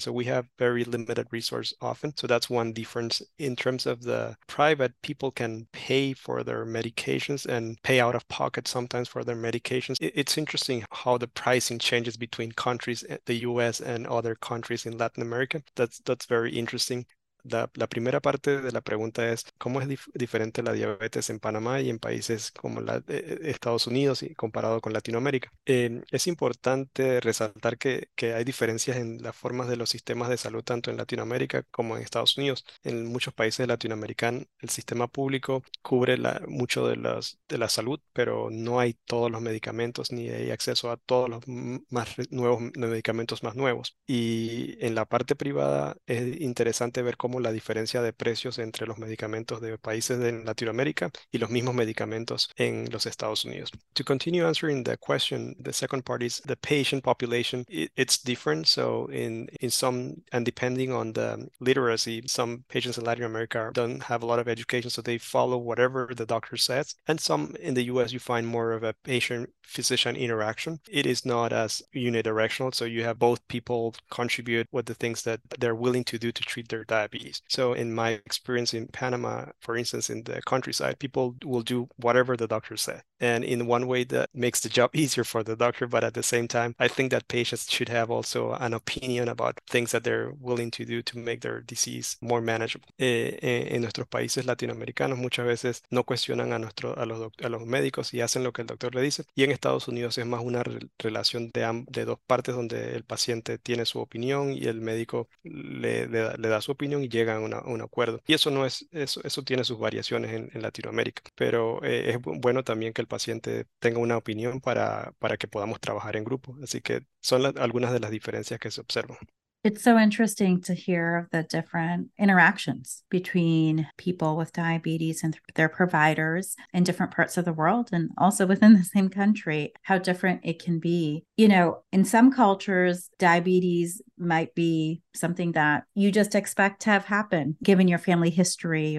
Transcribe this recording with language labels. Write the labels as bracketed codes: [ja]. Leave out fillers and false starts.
[en] So we have very limited resources often. So that's one difference. In terms of the private, people can pay for their medications and pay out of pocket sometimes for their medications. It's interesting how the pricing changes between countries, the US and other countries in Latin America. That's very interesting. [es] La primera parte de la pregunta es, ¿cómo es diferente la diabetes en Panamá y en países como Estados Unidos y comparado con Latinoamérica? Es importante resaltar que hay diferencias en las formas de los sistemas de salud tanto en Latinoamérica como en Estados Unidos. En muchos países latinoamericanos, el sistema público cubre mucho de la salud, pero no hay todos los medicamentos ni hay acceso a todos los medicamentos más nuevos. Y en la parte privada es interesante ver cómo la diferencia de precios entre los medicamentos de países de Latinoamérica y los mismos medicamentos en los Estados Unidos. [en] To continue answering the question, the second part is the patient population. It's different. So in some, and depending on the literacy, some patients in Latin America don't have a lot of education, so they follow whatever the doctor says. And some in the US, you find more of a patient-physician interaction. It is not as unidirectional. So you have both people contribute with the things that they're willing to do to treat their diabetes. So in my experience in Panama, for instance, in the countryside, people will do whatever the doctor said. And in one way, that makes the job easier for the doctor. But at the same time, I think that patients should have also an opinion about things that they're willing to do to make their disease more manageable. [es] En nuestros países latinoamericanos, muchas veces no cuestionan a los médicos y hacen lo que el doctor le dice. Y en Estados Unidos es más una relación de dos partes donde el paciente tiene su opinión y el médico le da su opinión. Y llegan a un acuerdo. Y eso no es eso, eso tiene sus variaciones en Latinoamérica. Pero es bueno también que el paciente tenga una opinión para que podamos trabajar en grupo. Así que son algunas de las diferencias que se observan. [en] It's so interesting to hear the different interactions between people with diabetes and their providers in different parts of the world and also within the same country, how different it can be. You know, in some cultures, diabetes might be something that you just expect to have happened given your family history.